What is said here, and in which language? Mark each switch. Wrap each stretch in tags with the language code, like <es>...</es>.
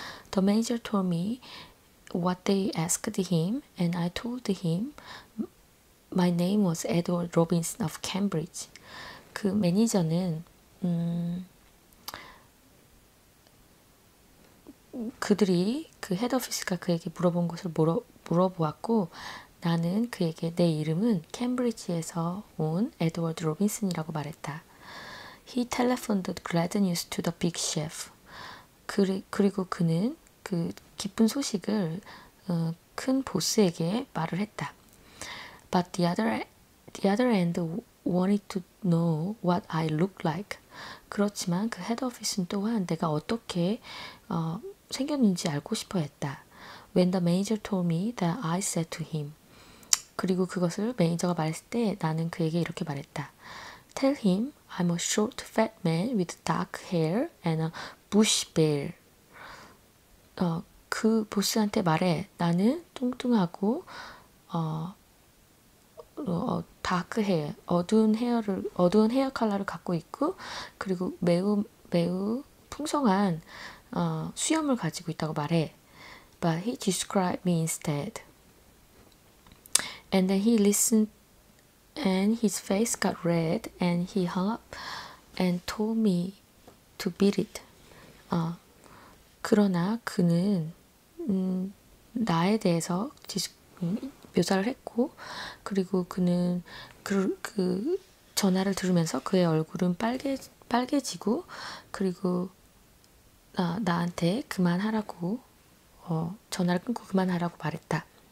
<en>The manager told me what they asked him and I told him my name was Edward Robinson of Cambridge.</en> <ko>그 매니저는 그들이 그 헤드오피스가 그에게 물어본 것을 물어보았고 나는 그에게 내 이름은 캠브리지에서 온 에드워드 로빈슨이라고 말했다.</ko> <en>He telephoned glad news to the big chef.</en> <ko>그리고 그는 그 기쁜 소식을 큰 보스에게 말을 했다.</ko> <en>But the other end wanted to know what I looked like.</en> <ko>그렇지만 그 head office는 또한 내가 어떻게 생겼는지 알고 싶어 했다.</ko> <en>When the manager told me that I said to him,</en> <ko>그리고 그것을 매니저가 말했을 때 나는 그에게 이렇게 말했다.</ko> <en>Tell him I'm a short fat man with dark hair and a bush beard.</en> <ko>그 보스한테 말해. 나는 뚱뚱하고 다크 헤어, 어두운 헤어 컬러를 갖고 있고 그리고 매우 매우 풍성한 수염을 가지고 있다고 말해.</ko> <en>But he described me instead. And then he listened and his face got red and he hung up and told me to beat it.</en> <ko>그러나 그는 나에 대해서 묘사를 했고 그리고 그는 그 전화를 들으면서 그의 얼굴은 빨개지고 그리고 나한테 그만하라고 전화를 끊고 그만하라고 말했다.</ko>